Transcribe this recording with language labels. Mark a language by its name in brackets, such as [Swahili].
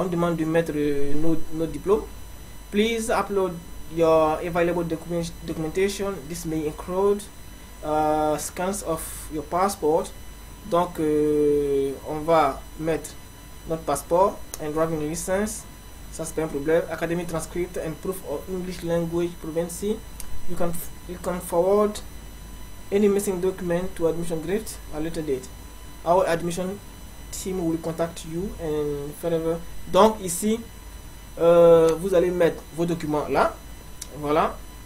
[French] On nous demande de mettre nos diplômes. [English] Please upload your available documentation. This may include scans of your passport. [French] Donc on va mettre notre passeport, un driving license, ça c'est pas un problème. [English] Academy transcript and proof of English language proficiency. You can forward any missing document to admission grid at later date. Our admission team will contact you and forever. [French] Donc ici, vous allez mettre vos documents là, voilà.